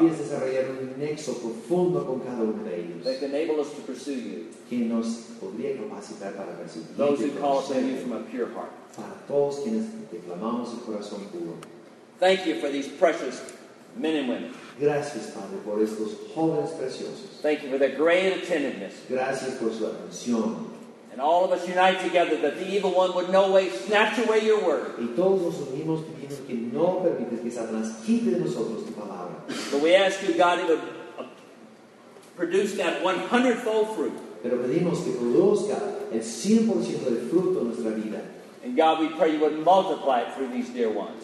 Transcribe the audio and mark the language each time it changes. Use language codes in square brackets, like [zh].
[es] Podrías desarrollar un nexo profundo con cada uno de ellos. [en] That can enable us to pursue you. [es] Que nos podría capacitar para perseguir. [en] Those who call upon you from a pure heart. [es] Para todos quienes te clamamos el corazón puro. [en] Thank you for these precious men and women. [es] Gracias, Padre, por estos jóvenes preciosos. [en] Thank you for their great attentiveness. [es] Gracias por su atención. [en] And all of us unite together that the evil one would no way snatch away your word. [es] Y todos nos unimos pidiendo que no permites que Satanás quite de nosotros tu palabra. [en] But we ask you, God, to produce that 100-fold fruit. [es] Pero pedimos que produzca el 100% del fruto en nuestra vida. [en] And God, we pray you would multiply it through these dear ones.